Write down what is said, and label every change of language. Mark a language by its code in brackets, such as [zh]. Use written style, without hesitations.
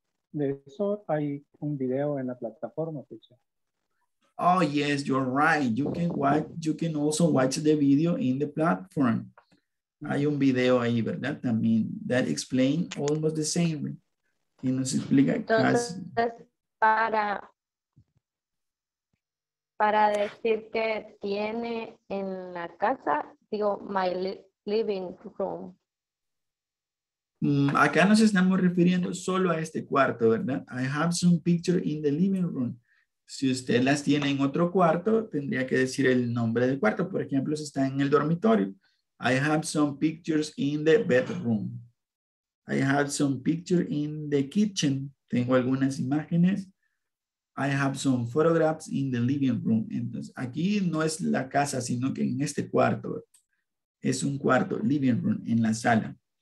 [es] De eso hay un video en la plataforma. [en] Oh, yes, you're right. You can also watch the video in the platform. [es] Hay un video ahí, ¿verdad? También, [en] that explain almost the same. [es] Y nos explica entonces, casi. Para decir que tiene en la casa, digo, [en] my living room. [es] Acá nos estamos refiriendo solo a este cuarto, ¿verdad? [en] I have some picture in the living room. [es] Si usted las tiene en otro cuarto, tendría que decir el nombre del cuarto. Por ejemplo, si está en el dormitorio. [en] I have some pictures in the bedroom. I have some picture in the kitchen. [es] Tengo algunas imágenes. [en] I have some photographs in the living room. [es] Entonces, aquí no es la casa, sino que en este cuarto. Es un cuarto, living room, en la sala.